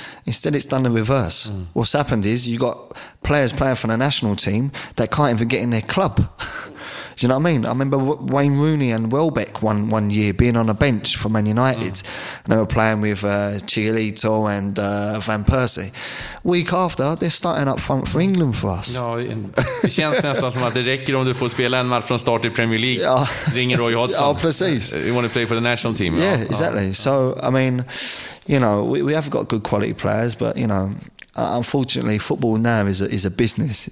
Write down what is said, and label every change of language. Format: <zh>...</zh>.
<en>Instead, it's done the reverse. What's happened is, you got players playing for the national team that can't even get in their club. Do you know what I mean? I remember Wayne Rooney and Welbeck one year being on a bench for Man United. And they were playing with Chiellito and Van Persie. Week after, they're starting up front for England for us.</en> <sv>Ja, det känns nästan som att det räcker om du får spela en match från start i Premier League. Ja. Ringer Roy Hodgson. Ja, precis.</sv> <en>You want to play for the national team. Yeah, exactly. So, I mean, you know, we have got good quality players, but, you know, unfortunately, football now is a business.</en>